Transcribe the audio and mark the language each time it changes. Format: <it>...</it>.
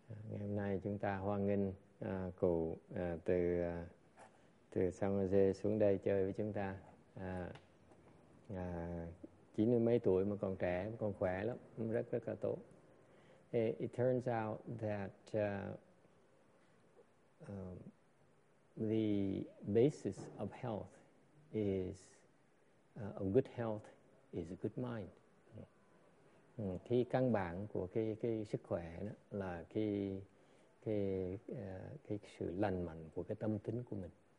<vi>Ngày hôm nay chúng ta hoan nghênh cụ từ từ San Jose xuống đây chơi với chúng ta. 90 mấy tuổi mà còn trẻ, còn khỏe lắm, rất rất là tốt.</vi> <en>It turns out that the basis of health is a good health is a good mind.</en> <vi>Thì căn bản của cái sức khỏe đó là cái sự lành mạnh của cái tâm tính của mình.</vi>